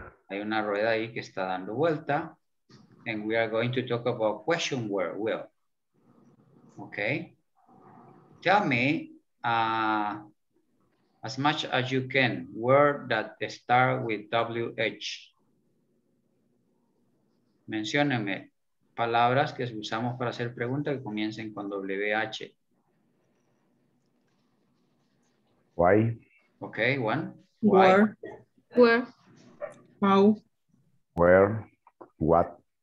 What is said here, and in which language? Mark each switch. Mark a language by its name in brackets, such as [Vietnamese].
[Spanish] Hay una rueda ahí que está dando vuelta. [English] And we are going to talk about question word, Will. Okay. Tell me as much as you can, word that start with WH. [Spanish] Menciónenme palabras que usamos para hacer preguntas que comiencen con WH. [English] Why? Okay, one. Why? Where? How? Where? What?